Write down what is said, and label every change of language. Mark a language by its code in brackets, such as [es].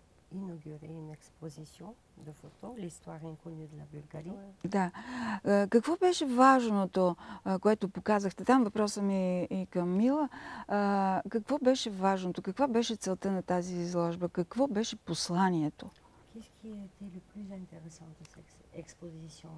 [fr] Inaugurer une exposition de photos, l'histoire inconnue de la Bulgarie. [bg] Да. Какво беше важното, което показахте там? Въпросът ми и към Мила. Какво беше важното? Каква беше целта на тази изложба? Какво беше посланието? [fr] Qu'est-ce qui était le plus intéressant de cette exposition?